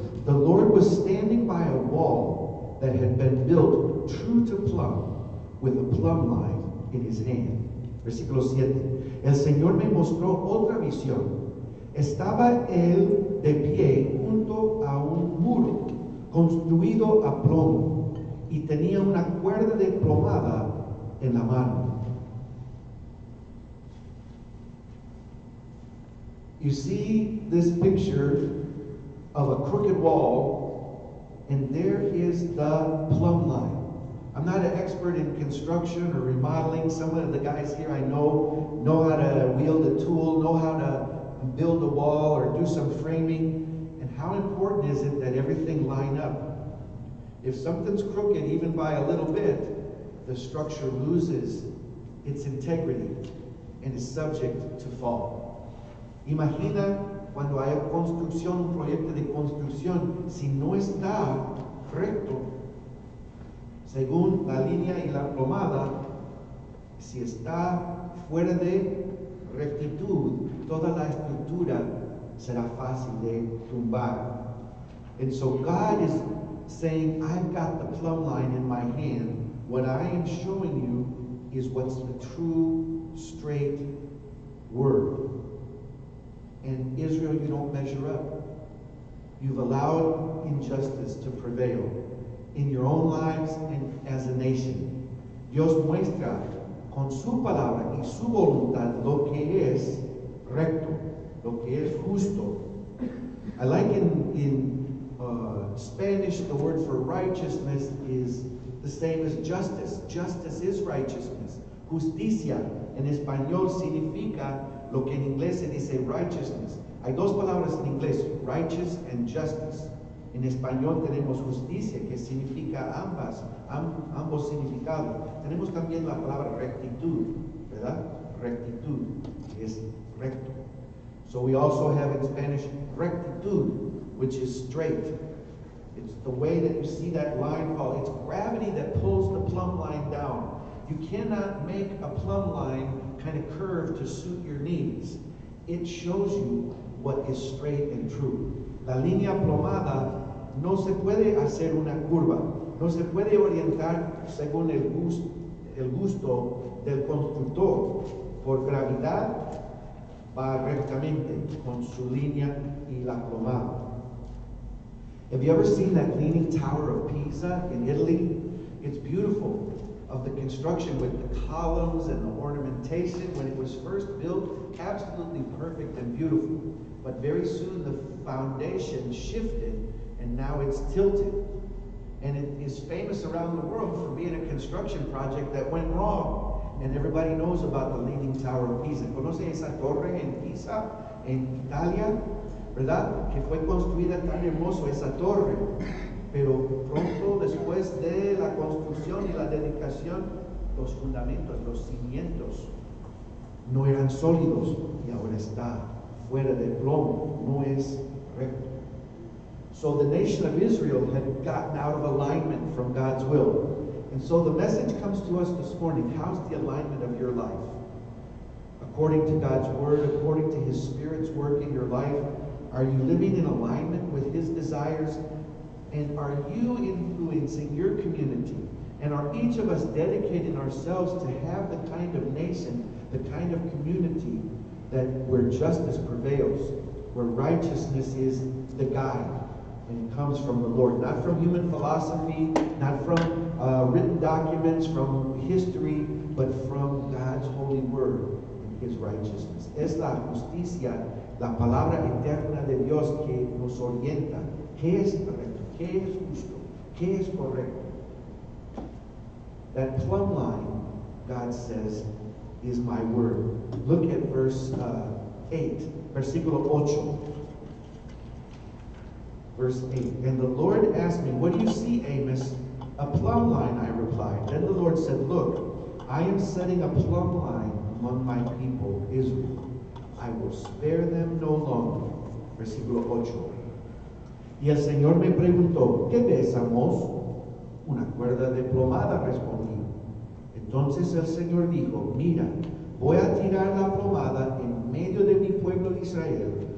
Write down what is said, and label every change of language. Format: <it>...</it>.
<en>The Lord was standing by a wall that had been built true to Plumb, with a plumb line in his hand.</en> <es>Versículo 7. El Señor me mostró otra visión. Estaba él de pie junto a un muro construido a plomo, y tenía una cuerda de plomada en la mano.</es> <en>You see this picture of a crooked wall, and there is the plumb line. I'm not an expert in construction or remodeling. Some of the guys here I know how to wield a tool, know how to build a wall or do some framing. And how important is it that everything line up? If something's crooked, even by a little bit, the structure loses its integrity and is subject to fall.</en> <es>Imagina cuando hay construcción, un proyecto de construcción, si no está recto, según la línea y la plomada, si está fuera de rectitud, toda la estructura será fácil de tumbar.</es> <en>And so God is saying, "I've got the plumb line in my hand. What I am showing you is what's the true, straight word. And Israel, you don't measure up. You've allowed injustice to prevail in your own lives and as a nation."</en> <es>Dios muestra con su palabra y su voluntad lo que es recto, lo que es justo.</es> <en>I like in Spanish, the word for righteousness is the same as justice. Justice is righteousness.</en> <es>Justicia en español significa lo que en inglés se dice righteousness. Hay dos palabras en inglés,</es> <en>righteous and justice.</en> <es>En español tenemos justicia, que significa ambos significados. Tenemos también la palabra rectitud, ¿verdad? Rectitud es recto.</es> <en>So we also have in Spanish rectitud, which is straight. It's the way that you see that line fall. It's gravity that pulls the plumb line down. You cannot make a plumb line kind of curve to suit your needs. It shows you what is straight and true.</en> <es>La línea plomada no se puede hacer una curva. No se puede orientar según el gusto del constructor. Por gravedad, va rectamente con su línea y la plomada.</es> <en>Have you ever seen that Leaning Tower of Pisa in Italy? It's beautiful, of the construction with the columns and the ornamentation. When it was first built, absolutely perfect and beautiful. But very soon the foundation shifted and now it's tilted. And it is famous around the world for being a construction project that went wrong. And everybody knows about the Leaning Tower of Pisa.</en> <es>¿Conoce esa torre en Pisa, en Italia? ¿Verdad? Que fue construida tan hermoso esa torre. Pero pronto después de la construcción y la dedicación, los fundamentos, los cimientos no eran sólidos y ahora está fuera de plomo, no es recto.</es> <en>So the nation of Israel had gotten out of alignment from God's will. And so the message comes to us this morning, how's the alignment of your life? According to God's word, according to his Spirit's work in your life, are you living in alignment with his desires? And are you influencing your community? And are each of us dedicating ourselves to have the kind of nation, the kind of community that where justice prevails, where righteousness is the guide, and it comes from the Lord, not from human philosophy, not from written documents, from history, but from God's holy word and his righteousness.</en> <es>Es la justicia, la palabra eterna de Dios que nos orienta. ¿Qué es correcto? ¿Qué es justo? ¿Qué es correcto?</es> <en>That plumb line, God says, is my word. Look at verse 8,</en> <es>versículo 8.</es> <en>Verse 8. And the Lord asked me, what do you see, Amos? A plumb line, I replied. Then the Lord said, look, I am setting a plumb line among my people, Israel. I will spare them no longer.</en> <es>Versículo 8. Y el Señor me preguntó, ¿qué ves, Amos? Una cuerda de plomada, respondí. Entonces el Señor dijo, mira, voy a tirar la plomada en medio de mi pueblo Israel.</es>